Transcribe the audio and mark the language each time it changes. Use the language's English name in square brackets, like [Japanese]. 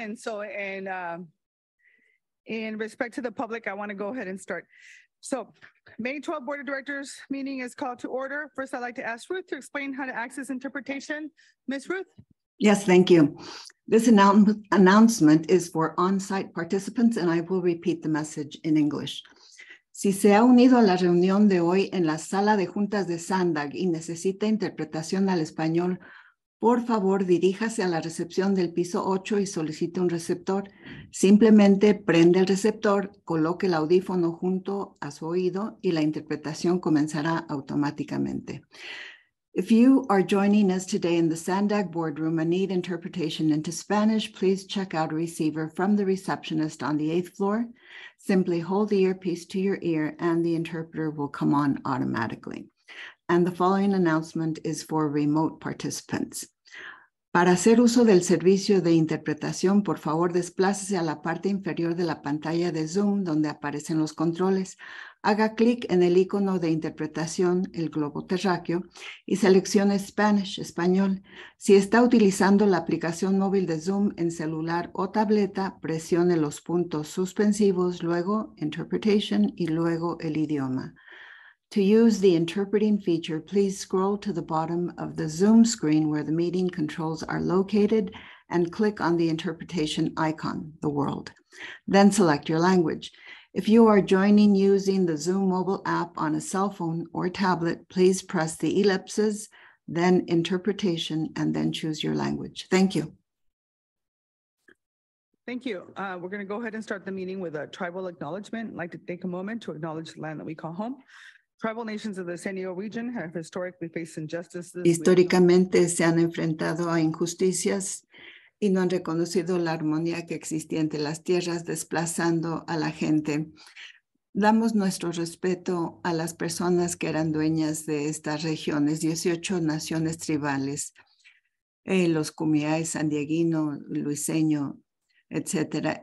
[English] And so, in respect to the public, I want to go ahead and start. So, May 12 Board of Directors meeting is called to order. First, I'd like to ask Ruth to explain how to access interpretation. Ms. Ruth? Yes, thank you. This announcement is for on-site participants, and I will repeat the message in English. [Spanish] Si se ha unido a la reunión de hoy en la sala de juntas de Sandag y necesita interpretación al español, por favor, diríjase a la recepción del piso 8 y solicite un receptor. Simplemente prende el receptor, coloque el audífono junto a su oído y la interpretación comenzará automáticamente. [English] If you are joining us today in the Sandag boardroom and need interpretation into Spanish, please check out a receiver from the receptionist on the 8th floor. Simply hold the earpiece to your ear and the interpreter will come on automatically. And the following announcement is for remote participants. [Spanish] Para hacer uso del servicio de interpretación, por favor, desplácese a la parte inferior de la pantalla de Zoom donde aparecen los controles. Haga clic en el icono de interpretación, el globo terráqueo, y seleccione Spanish, español. Si está utilizando la aplicación móvil de Zoom en celular o tableta, presione los puntos suspensivos, luego Interpretation y luego el idioma. [English] To use the interpreting feature, please scroll to the bottom of the Zoom screen where the meeting controls are located and click on the interpretation icon, the world. Then select your language. If you are joining using the Zoom mobile app on a cell phone or tablet, please press the ellipses, then interpretation, and then choose your language. Thank you. Thank you. We're going to go ahead and start the meeting with a tribal acknowledgement. I'd like to take a moment to acknowledge the land that we call home. Tribal nations of the San Diego region have historically faced injustices. [Spanish] Históricamente se han enfrentado a injusticias y no han reconocido la armonía que existía entre las tierras, desplazando a la gente. Damos nuestro respeto a las personas que eran dueñas de estas regiones, 18 naciones tribales, los Kumeyaay, Sandieguino, Luiseño, etc.